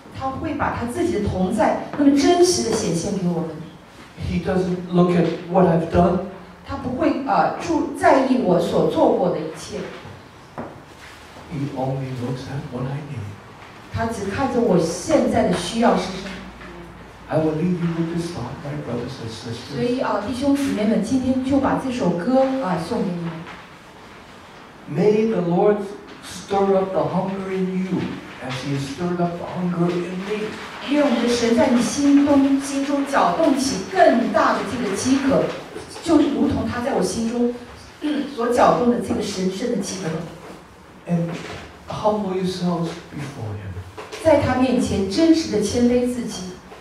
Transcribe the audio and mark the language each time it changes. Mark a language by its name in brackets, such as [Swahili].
[Chinese] 他会把他自己的同在那么真实的显现给我们。 [English] He doesn't look at what I've done. [Chinese] 他不会在意我所做过的一切。 [English] He only looks at what I need. [Chinese] 他只看着我现在的需要是什么。 [English] I will leave you with this song, my brothers and sisters. [Chinese] 所以弟兄姊妹们，今天就把这首歌送给你们。 [English] May the Lord stir up the hunger in you. As He stirred up the hunger in me, [Chinese] 因为我们的神在你心中搅动起更大的这个饥渴，就如同他在我心中所搅动的这个神圣的饥渴。 [English] And humble yourselves before Him, [Chinese] 在他面前真实的谦卑自己。